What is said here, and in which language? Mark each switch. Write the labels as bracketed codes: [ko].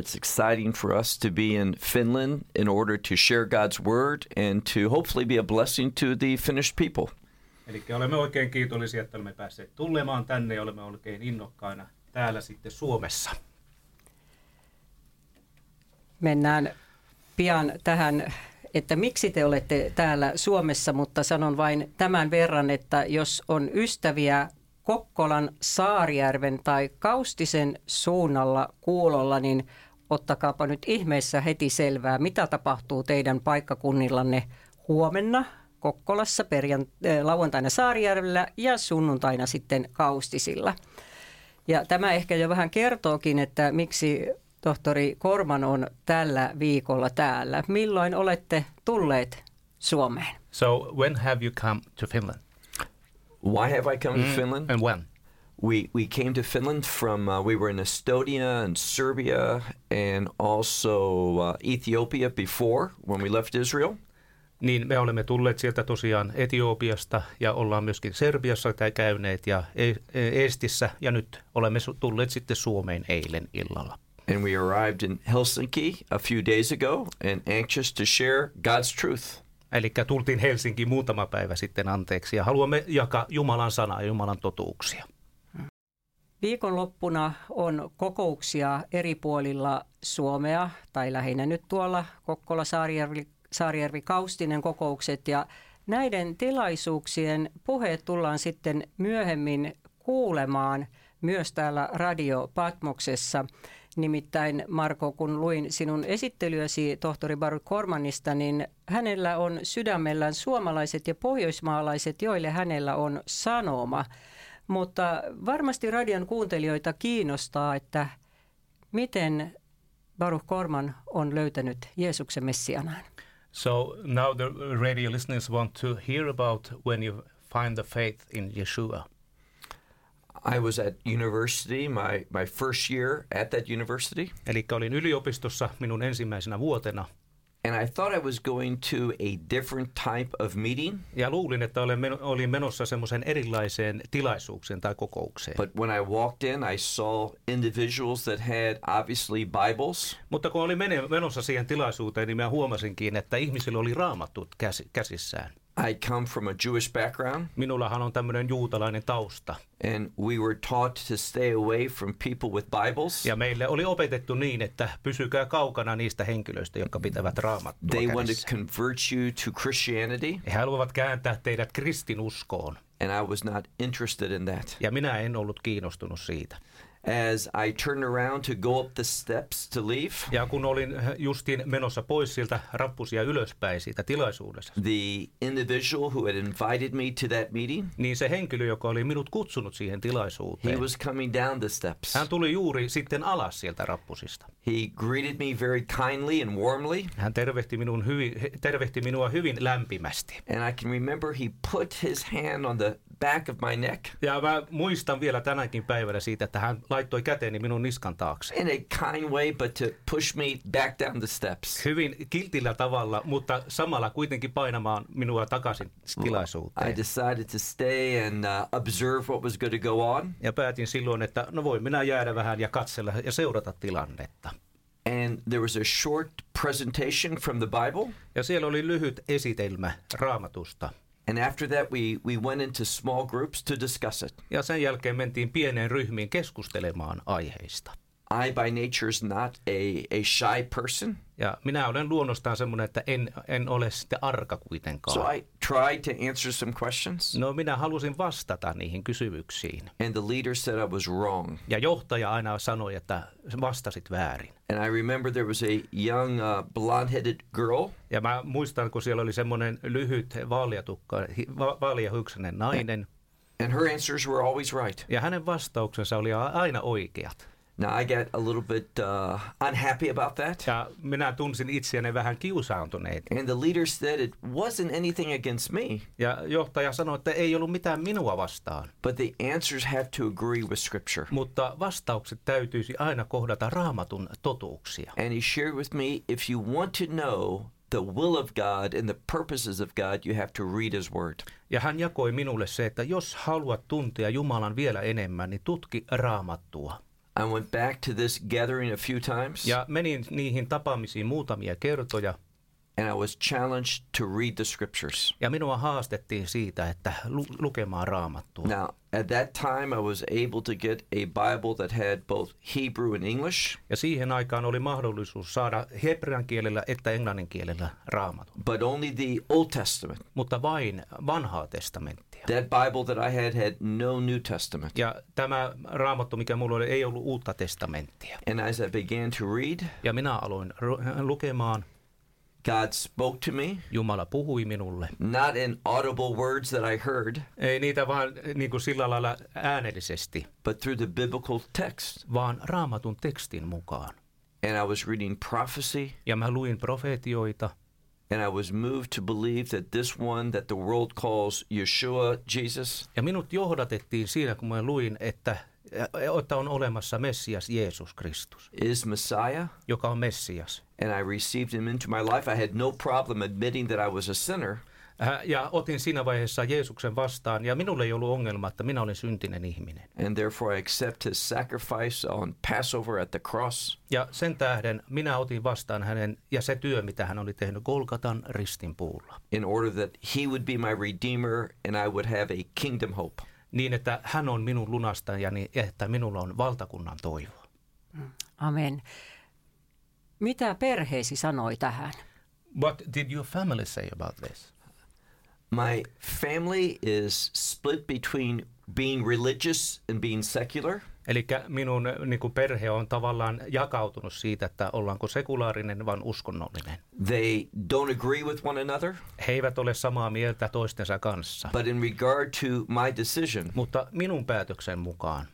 [en] It's exciting for us to be in Finland in order to share God's word and to hopefully be a blessing to the Finnish people. [fi] Eli olemme oikein kiitollisia, että olemme päässeet tulemaan tänne ja olemme oikein innokkaina täällä sitten Suomessa. Mennään pian tähän, että miksi te olette täällä Suomessa, mutta sanon vain tämän verran, että jos on ystäviä Kokkolan, Saarijärven tai Kaustisen suunnalla kuulolla, niin ottakaapa nyt ihmeessä heti selvää, mitä tapahtuu teidän paikkakunnillanne huomenna Kokkolassa, lauantaina Saarijärvellä ja sunnuntaina sitten Kaustisilla. Ja tämä ehkä jo vähän kertookin, että miksi tohtori Korman on tällä viikolla täällä. Milloin olette tulleet Suomeen? [en] So when have you come to Finland? Why have I come to Finland? And when? We came to Finland from, we were in Estonia and Serbia and also Ethiopia before, when we left Israel. [fi] Niin me olemme tulleet sieltä tosiaan Etiopiasta ja ollaan myöskin Serbiassa käyneet ja Eestissä ja nyt olemme tulleet sitten Suomeen eilen illalla. [en] And we arrived in Helsinki a few days ago and anxious to share God's truth. [fi] Eli tultiin Helsinkiin muutama päivä sitten anteeksi ja haluamme jakaa Jumalan sanaa ja Jumalan totuuksia. Viikonloppuna on kokouksia eri puolilla Suomea tai lähinnä nyt tuolla Kokkola, Saarijärvi, Kaustinen kokoukset. Ja näiden tilaisuuksien puheet tullaan sitten myöhemmin kuulemaan myös täällä Radio Patmoksessa. Nimittäin, Marko, kun luin sinun esittelyäsi tohtori Baruch Kormanista, niin hänellä on sydämellään suomalaiset ja pohjoismaalaiset, joille hänellä on sanoma. Mutta varmasti radion kuuntelijoita kiinnostaa, että miten Baruch Korman on löytänyt Jeesuksen Messianaan. [en] So now the radio listeners want to hear about when you find the faith in Yeshua. I was at university, my first year at that university. [fi] Elikkä olin yliopistossa minun ensimmäisenä vuotena. [en] And I thought I was going to a different type of meeting. [fi] Ja luulin, että olin menossa semmoisen erilaiseen tilaisuuksen tai kokoukseen. [en] But when I walked in, I saw individuals that had obviously Bibles. [fi] Mutta kun olin menossa siihen tilaisuuteen, niin mä huomasinkin, että ihmisillä oli raamatut käsissään. [en] I come from a Jewish background. [fi] Minullahan on tämmöinen juutalainen tausta. [en] And we were taught to stay away from people with Bibles. [fi] Ja meille oli opetettu niin, että pysykää kaukana niistä henkilöistä, jotka pitävät raamattua kädessä. [en] They wanted to convert you to Christianity. [fi] He haluavat kääntää teidät kristinuskoon. [en] And I was not interested in that. [fi] Ja minä en ollut kiinnostunut siitä. [en] As I turned around to go up the steps to leave. [fi] Ja kun olin justiin menossa pois sieltä rappusia ylöspäin siitä tilaisuudesta. [en] The individual who had invited me to that meeting. [fi] Niin se henkilö, joka oli minut kutsunut siihen tilaisuuteen. [en] He was coming down the steps. [fi] Hän tuli juuri sitten alas sieltä rappusista. [en] He greeted me very kindly and warmly. [fi] Hän tervehti minua hyvin lämpimästi. [en] And I can remember he put his hand on the back of my neck. [fi] Ja mä muistan vielä tänäkin päivänä siitä, että hän laittoi käteeni minun niskan taakse. [en] In a kind way, but to push me back down the steps. [fi] Hyvin kiltillä tavalla, mutta samalla kuitenkin painamaan minua takaisin tilaisuuteen. [en] I decided to stay and observe what was going to go on. [fi] Ja päätin silloin, että no voi minä jäädä vähän ja katsella ja seurata tilannetta. [en] And there was a short presentation from the Bible. [fi] Ja siellä oli lyhyt esitelmä Raamatusta. [en] And after that we went into small groups to discuss it. [fi] Ja sen jälkeen mentiin pieneen ryhmiin keskustelemaan aiheista. [en] I by nature is not a shy person. [fi] Ja minä olen luonnostaan semmoinen, että en ole sitten arka kuitenkaan. [en] So I tried to answer some questions. [fi] No minä halusin vastata niihin kysymyksiin. [en] And the leader said I was wrong. [fi] Ja johtaja aina sanoi, että vastasit väärin. [en] And I remember there was a young blonde-headed girl. [fi] Ja mä muistan, kun siellä oli semmoinen lyhyt vaaliahyksinen nainen. [en] And her answers were always right. [fi] Ja hänen vastauksensa oli aina oikeat. [en] Now I get a little bit unhappy about that. [fi] Ja minä tunsin itseäni vähän kiusaantuneet. [en] And the leader said it wasn't anything against me. [fi] Ja johtaja sanoi, että ei ollut mitään minua vastaan. [en] But the answers have to agree with scripture. [fi] Mutta vastaukset täytyisi aina kohdata Raamatun totuuksia. [en] And he shared with me, if you want to know the will of God and the purposes of God, you have to read his word. [fi] Ja hän jakoi minulle se, että jos haluat tuntea Jumalan vielä enemmän, niin tutki Raamattua. [en] I went back to this gathering a few times. [fi] Ja menin niihin tapaamisiin muutamia kertoja. [en] And I was challenged to read the scriptures. [fi] Ja minua haastettiin siitä, että lukemaan Raamattua. [en] Now, at that time I was able to get a Bible that had both Hebrew and English. [fi] Ja siihen aikaan oli mahdollisuus saada heprean kielellä että englannin kielellä Raamattu. [en] But only the Old Testament. [fi] Mutta vain vanhaa testamenttia. [en] That Bible that I had had no New Testament. [fi] Ja tämä Raamattu mikä mulla oli ei ollut uutta testamenttia. [en] And as I began to read. [fi] Ja minä aloin lukemaan. [en] God spoke to me. [fi] Jumala puhui minulle. [en] Not in audible words that I heard. [fi] Ei niitä vaan niinku sillä lailla äänellisesti. [en] But through the biblical text. [fi] Vaan Raamatun tekstin mukaan. [en] And I was reading prophecy. [fi] Ja mä luin profetioita. [en] And I was moved to believe that this one that the world calls Yeshua Jesus. [fi] Ja minut johdatettiin siinä kun mä luin että on olemassa Messias Jeesus Kristus. [en] Is Messiah. [fi] Joka on Messias. [en] And I received him into my life. I had no problem admitting that I was a sinner. [fi] Ja otin siinä vaiheessa Jeesuksen vastaan ja minulle ei ollut ongelma, että minä olin syntinen ihminen. [en] And therefore I accept his sacrifice on Passover at the cross. [fi] Ja sen tähden minä otin vastaan hänen ja se työ, mitä hän oli tehnyt Golgatan ristin puulla. [en] In order that he would be my redeemer and I would have a kingdom hope. [fi] Niin, että hän on minun lunastajani ja että minulla on valtakunnan toivo. Amen. Mitä perheesi sanoi tähän? [en] What did your family say about this? My family is split between being religious and being secular. [fi] Eli minun niinku perhe on tavallaan jakautunut siitä, että ollaanko sekulaarinen vai uskonnollinen. [en] They don't agree with one another. [fi] He eivät ole samaa mieltä toistensa kanssa. [en] But in regard to my decision. [fi] Mutta minun päätöksen mukaan.